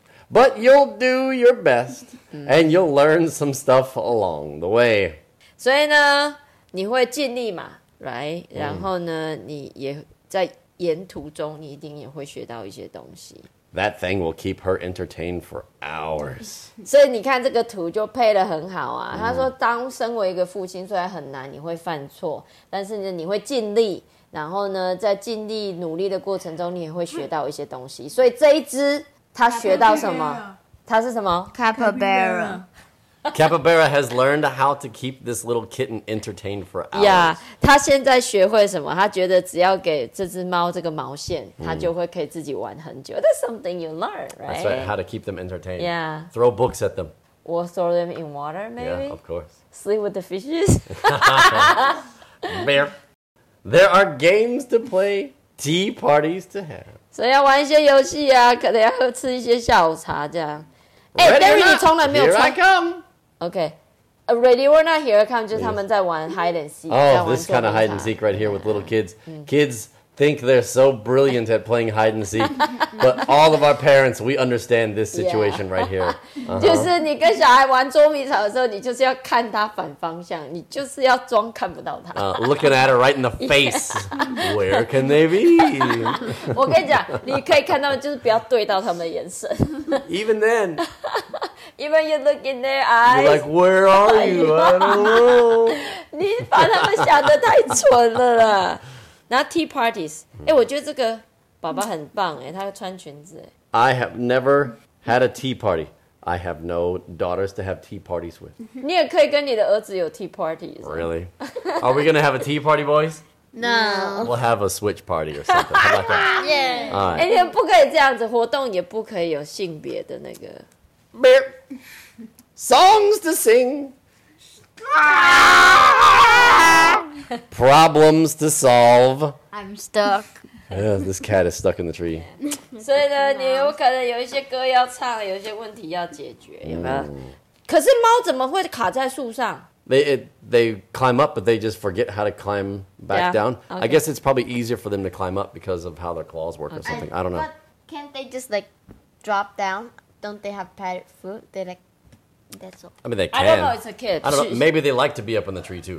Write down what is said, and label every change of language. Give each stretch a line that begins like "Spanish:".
English: But you'll do your best And you'll learn some stuff along the way
Chinese: 所以呢你会尽力嘛
English: right?
Chinese: 然后呢你也在沿途中你一定也会学到一些东西
English: That thing will keep her entertained for hours
Chinese: 所以你看这个图就配得很好啊、他说当身为一个父亲虽然很难你会犯错但是呢你会尽力然后呢在尽力努力的过程中你也会学到一些东西所以这一只他学到什么他是什么
English: Capybara Capybara has learned how to keep this little kitten entertained for hours. Yeah,
Chinese: 他现在学会什么？他觉得只要给这只猫这个毛线，他就会可以自己玩很久。
English: That's something you learn, right? That's right. How to keep them entertained. Yeah. Throw books at them. We'll throw them in water, maybe. Yeah, of course. Sleep with the fishes. Bear. There are games to play, tea parties to have. So
Chinese: 要玩一些游戏啊，可能要吃一些下午茶这样。
English: Ready or not, here I come. Okay. Ready or not, here I come.
Chinese: 就是他们在玩
English: hide and seek. Oh, this kind of hide and seek right here with little kids. Kids think they're so brilliant at playing hide and seek. But all of our parents, we understand this situation right here.
Chinese: 就是你跟小孩玩捉迷藏的时候，你就是要看他反方向，你就是要装看不到他。
English: Looking at her right in the face. Where can they be?
Chinese: 我跟你讲，你可以看到，就是不要对到他们的眼神。
English: Even then. Even you look in their eyes. You're like, where are you? I don't know.
Chinese: 你把他们想得太蠢了啦。那 tea parties，我觉得这个爸爸很棒，他穿裙子。
English: I have never had a tea party. I have no daughters to have tea parties with.
Chinese: 你也可以跟你的儿子有 tea parties.
English: Really? Are we going to have a tea party, boys? No. We'll have a switch party or something. Yeah. Right.
Chinese: 你们不可以这样子，活动也不可以有性别的那个。
English: Beep. Songs to sing. Problems to solve. I'm stuck. Yeah, this cat is stuck in the tree.
Chinese: 所以呢，你有可能有一些歌要唱，有一些问题要解决，有没有？可是猫怎么会卡在树上？
English: They climb up, but they just forget how to climb back down. Okay. I guess it's probably easier for them to climb up because of how their claws work or something. I don't know. But can't they just, like, drop down? Don't they have padded foot? They, like, that's all. I mean, they can. I don't know, it's a kid. I don't know, maybe they like to be up in the tree, too.